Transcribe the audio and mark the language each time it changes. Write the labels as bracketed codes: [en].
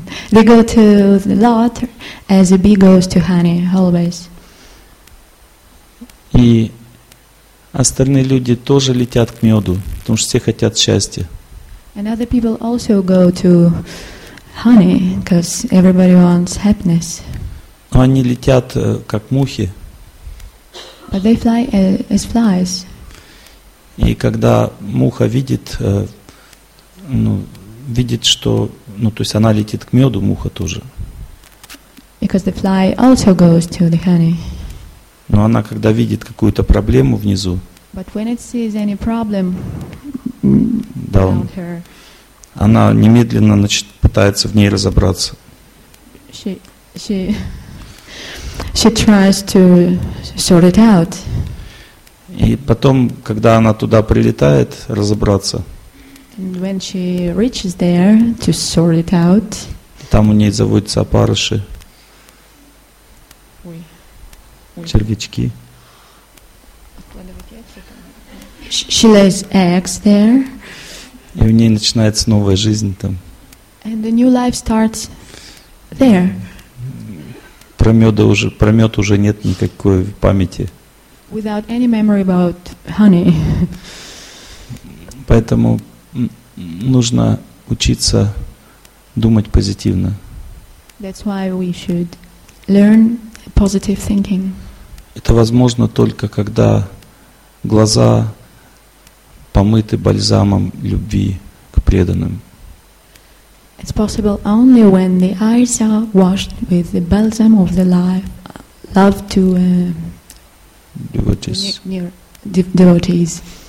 [en] They go to the lot as a bee goes to honey always. [ru] И остальные люди тоже летят к меду, потому что все хотят счастья. [en] And other people also go to honey, because everybody wants happiness. [ru] Но они летят как мухи. [en] But they fly as flies. [ru] И когда муха видит, видит, что, то есть она летит к меду, муха тоже. [en] Because the fly also goes to the honey. [ru] Но она, когда видит какую-то проблему внизу, [en] but when it sees any problem, her, [ru] она немедленно пытается в ней разобраться. [en] She tries to sort it out. [ru] И потом, когда она туда прилетает, разобраться, [en] and when she reaches there to sort it out, [ru] там у ней заводятся опарыши. Червячки. [en] She lays eggs there. [ru] И у ней начинается новая жизнь там. [en] And the new life starts there. [ru] Про мед уже нет никакой памяти. [en] Without any memory about honey. [ru] Поэтому нужно учиться думать позитивно. [en] That's why we should learn positive thinking. [ru] Это возможно только когда глаза помыты бальзамом любви к преданным. [en] It's possible only when the eyes are washed with the balsam of the love to devotees.